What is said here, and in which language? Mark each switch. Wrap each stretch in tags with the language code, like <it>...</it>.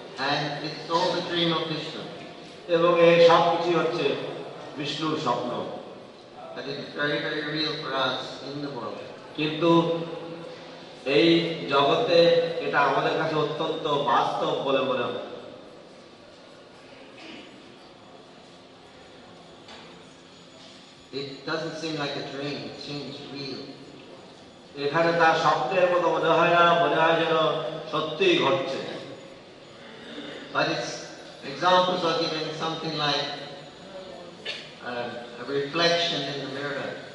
<en>And it's all the dream of Krishna.</en> <bn>এবং এই সব কিছু হচ্ছে বিষ্ণুর স্বপ্ন।</bn> <en>That is very very real for us in the world.</en> <bn>কিন্তু এই জগতে এটা আমাদের কাছে অত্যন্ত বাস্তব বলে মনে হয়।</bn> <en>It doesn't seem like a dream, it seems real.</en> <bn>এখানে তার স্বপ্নের মতো মনে হয় না, মনে হয় যেন সত্যিই ঘটছে।</bn> <en>But it's examples are given something like a reflection in the mirror.</en>